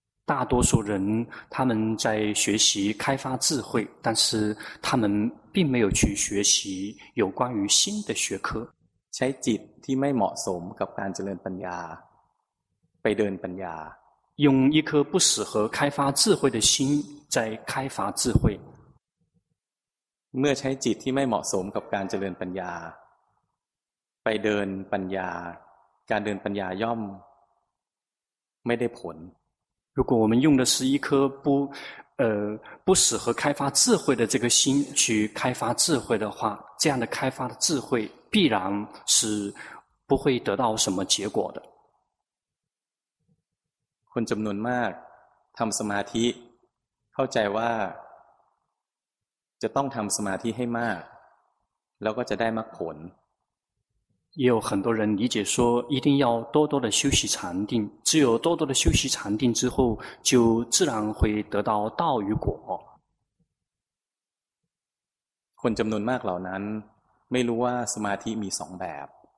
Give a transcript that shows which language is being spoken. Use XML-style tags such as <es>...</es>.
<zh>大多数人他们在学习开发智慧但是他们并没有去学习有关于心的学科</zh> <th>ใช้จิตที่ไม่เหมาะสมกับการเจริญปัญญาไปเดินปัญญา</th> <zh>用一颗不适合开发智慧的心在开发智慧</zh> <th>เมื่อใช้จิตที่ไม่เหมาะสมกับการเจริญปัญญาไปเดินปัญญาการเดินปัญญาย่อมไม่ได้ผล</th> <zh>如果我们用的是一颗不适合开发智慧的这个心去开发智慧的话这样的开发的智慧必然是不会得到什么结果的</zh> <th>คนจำนวนมากทำสมาธิเข้าใจว่าจะต้องทำสมาธิให้มากแล้วก็จะได้มรรคผล</th> <zh>也有很多人理解说一定要多多的修习禅定只有多多的修习禅定之后就自然会得到道与果</zh> <th>คนจำนวนมากเหล่านั้นไม่รู้ว่าสมาธิมี2แบบ</th>